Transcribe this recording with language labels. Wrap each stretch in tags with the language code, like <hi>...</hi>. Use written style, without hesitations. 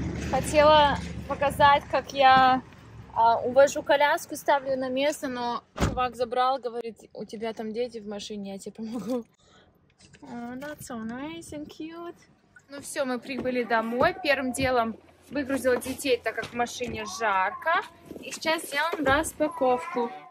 <ru>Хотела показать, как я увожу коляску, ставлю на место, но чувак забрал, говорит, у тебя там дети в машине, я тебе помогу.</ru> <en>Oh, that's so nice and cute.</en> <ru>Ну все, мы прибыли домой. Первым делом выгрузила детей, так как в машине жарко. И сейчас сделаем распаковку.</ru>